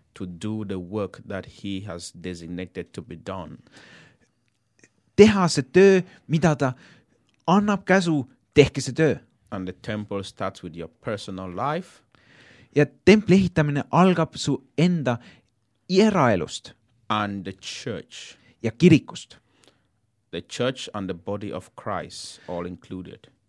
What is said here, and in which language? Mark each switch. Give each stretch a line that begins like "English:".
English: To do the work that he has designated to be done.
Estonian: Teha see töö, mida ta annab käsu, tehke see töö.
English: And the temple starts with your personal life.
Estonian: Ja templi ehitamine algab su enda eraelust.
English: And the church.
Estonian: Ja kirikust.
English: The church and the body of Christ, all included.